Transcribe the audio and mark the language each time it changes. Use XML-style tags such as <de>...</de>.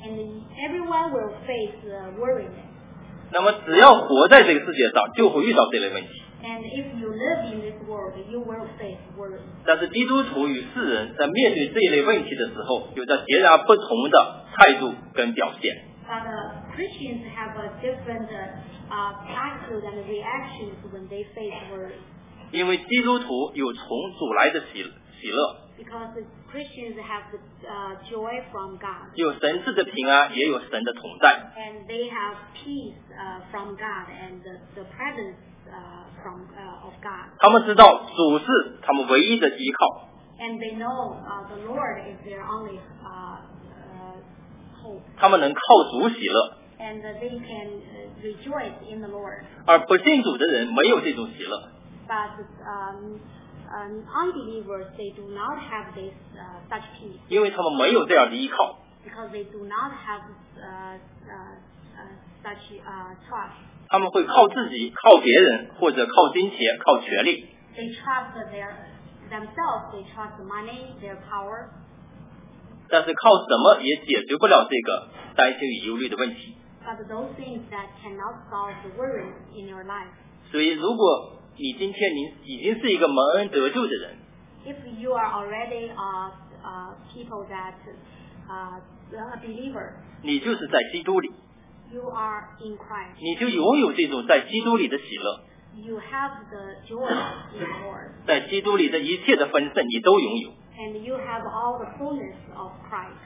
<en>And everyone will face worrying.</en> <zh>那么只要活在这个世界上，就会遇到这类问题。</zh> <en>And if you live in this world, you will face worry.</en> <zh>但是基督徒与世人在面对这一类问题的时候，有着截然不同的态度跟表现。</zh> <en>But Christians have a different attitude and reactions when they face worry.</en> <zh>因为基督徒有从主来的喜乐。</zh> <en>Because Christians have the joy from God.</en> <zh>有神赐的平安，也有神的同在。</zh> <en>And they have peace from God and the presence. Of God.</en> <zh>他们知道主是他们唯一的依靠。</zh> <en>And they know the Lord is their only hope.</en> <zh>他们能靠主喜乐。</zh> <en>And they can rejoice in the Lord.</en> <zh>而不信主的人没有这种喜乐。</zh> <en>But unbelievers they do not have this such peace.</en> <zh>因为他们没有这样的依靠。</zh> <en>Because they do not have such trust.</en> <zh>他们会靠自己、靠别人，或者靠金钱、靠权力。</zh> <en>They trust themselves. They trust money, their power.</en> <zh>但是靠什么也解决不了这个担心与忧虑的问题。</zh> <en>But those things that cannot solve the worry in your life.</en> <zh>所以，如果你今天您已经是一个蒙恩得救的人</zh> <en>，If you are already a people that a believer,</en> <zh>你就是在基督里。</zh> <en>You are in Christ.</en> <zh>你就拥有这种在基督里的喜乐。</zh> <en>You have the joy in the Lord.</en> <zh>在基督里的一切的丰盛你都拥有。</zh> <en>And you have all the fullness of Christ.</en>